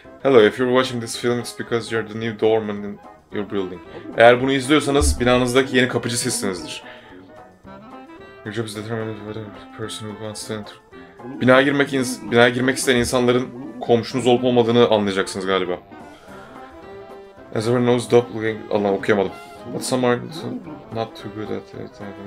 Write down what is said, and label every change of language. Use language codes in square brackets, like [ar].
[en] Hello, if you're watching this film, it's because you're the new doorman in your building. [tr] Eğer bunu izliyorsanız, binanızdaki yeni kapıcı sizsinizdir. [en] Your job is determined by the person who wants to enter. [tr] Binaya girmek isteyen insanların komşunuz olup olmadığını anlayacaksınız galiba. [en] As everyone knows, doppelganger. [tr] Allah, okuyamadım. [en] But some are not too good at it.